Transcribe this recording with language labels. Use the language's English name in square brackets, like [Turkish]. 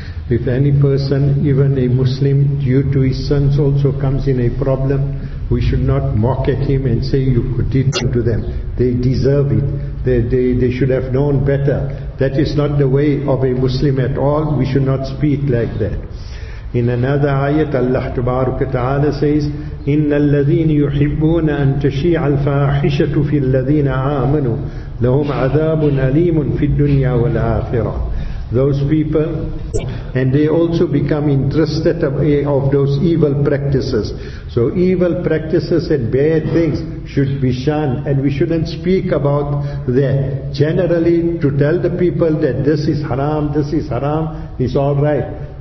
[English] If any person, even a Muslim, due to his sins also comes in a problem, we should not mock at him and say, you did it to them. They deserve it. They should have known better. That is not the way of a Muslim at all. We should not speak like that. In another ayat, Allah Ta'ala says, [Arabic] إِنَّ الَّذِينَ يُحِبُّونَ أَن تَشِيعَ الْفَاحِشَةُ فِي الَّذِينَ آمَنُوا لَهُمْ عَذَابٌ أَلِيمٌ فِي الدُّنْيَا وَالْآخِرَةِ. [English] Those people, and they also become interested of those evil practices. So evil practices and bad things should be shunned, and we shouldn't speak about that. Generally, to tell the people that this is haram, is all right.